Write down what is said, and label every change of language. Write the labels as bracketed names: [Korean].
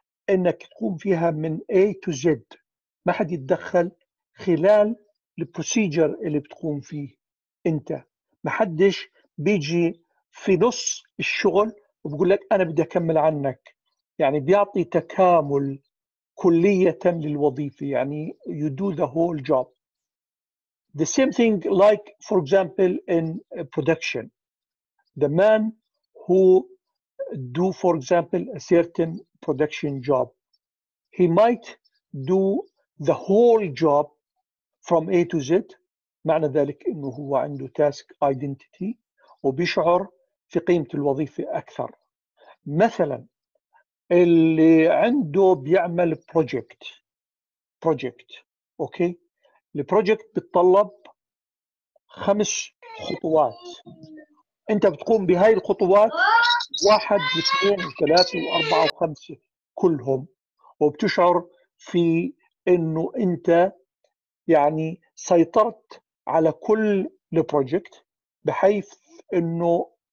[Arabic] أنك تقوم فيها من A to Z، ما حد يتدخل خلال البروسيجر اللي بتقوم فيه أنت، ما حدش بيجي في نص الشغل وبقول لك أنا بدي أكمل عنك، يعني بيعطي تكامل كلية للوظيفة، يعني [English] you do the whole job. The same thing like for example in production. The man who do for example a certain production job, he might do the whole job from A to Z. [Arabic] معنى ذلك إنه هو عنده task identity وبيشعر في قيمة الوظيفة أكثر. مثلا اللي عنده بيعمل project okay. البروجكت بتطلب 5 خطوات، انت بتقوم بهاي الخطوات 1 2 3 4 5 كلهم، وبتشعر في انه انت يعني سيطرت على كل البروجكت بحيث انه